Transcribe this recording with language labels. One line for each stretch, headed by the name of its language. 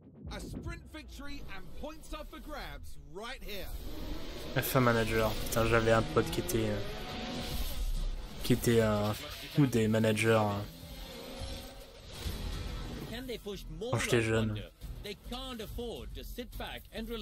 English: A sprint victory and points up for grabs right here.
French: FA Manager, putain, j'avais un pote qui était ou des managers quand j'étais jeune.
English: they can't afford to sit back and relax.